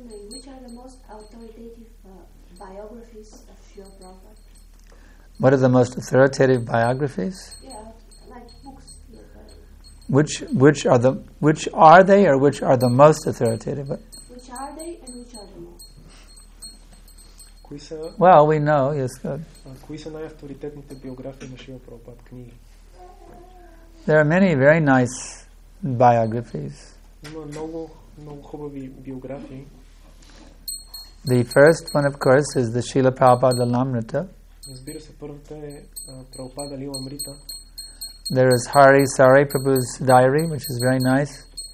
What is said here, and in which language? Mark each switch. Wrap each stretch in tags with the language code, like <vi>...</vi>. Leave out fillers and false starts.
<en>Which are the most authoritative biographies of Srila Prabhupada? What are the most authoritative biographies? Yeah, like books. Which are the most authoritative? Which are they and which are the most? Well, we know, yes, good.</en> <bg>Кои са най-авторитетните биографии на Шрила Прабхупад, книги?</bg> <en>There are many very nice biographies.</en> <bg>Има много, много хубави биографии.</bg> <en>The first one, of course, is the Шрила Прабхупада Ламрита.</en> <bg>Разбира се, първата е Прабхупада Лиламрита.</bg> <en>There is Hari Sari Prabhu's diary, which is very nice.</en>